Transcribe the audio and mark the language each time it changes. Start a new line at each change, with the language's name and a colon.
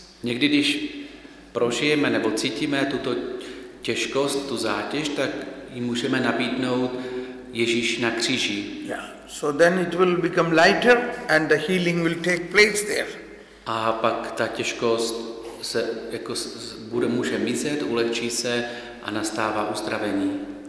Czech: Někdy, když prožijeme nebo cítíme tuto těžkost, tu zátěž, tak ji můžeme nabídnout Ježíši na kříži.
English: Yeah. So then it will become lighter and the healing will take place there.
Czech: A pak ta těžkost se jako bude může mizet, ulehčí se a nastává uzdravení.